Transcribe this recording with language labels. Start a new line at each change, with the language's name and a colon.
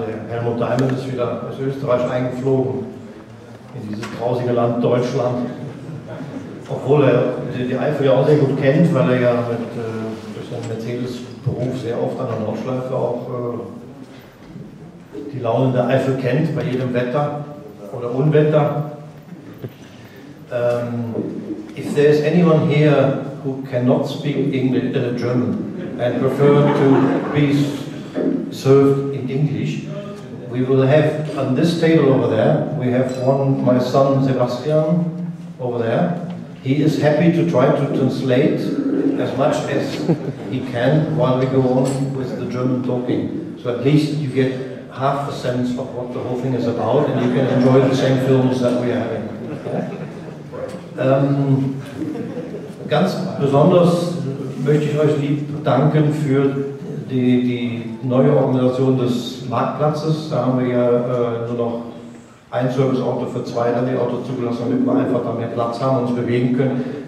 German: Der Helmut Diamond ist wieder aus Österreich eingeflogen in dieses grausige Land Deutschland. Obwohl er die Eifel ja auch sehr gut kennt, weil er ja mit, durch seinen Mercedes-Beruf sehr oft an der Nordschleife auch die Laune der Eifel kennt, bei jedem Wetter oder Unwetter.
English: If there is anyone here who cannot speak English, German and prefer to be served in English, we will have on this table over there, we have one, my son Sebastian over there. He is happy to try to translate as much as he can while we go on with the German talking. So at least you get half a sense of what the whole thing is about and you can enjoy the same films that we are having.
German: Ganz besonders möchte ich euch lieb danken für die neue Organisation des Marktplatzes. Da haben wir ja nur noch ein Service-Auto für 2 Rallye-Auto zugelassen, damit wir einfach da mehr Platz haben und uns bewegen können.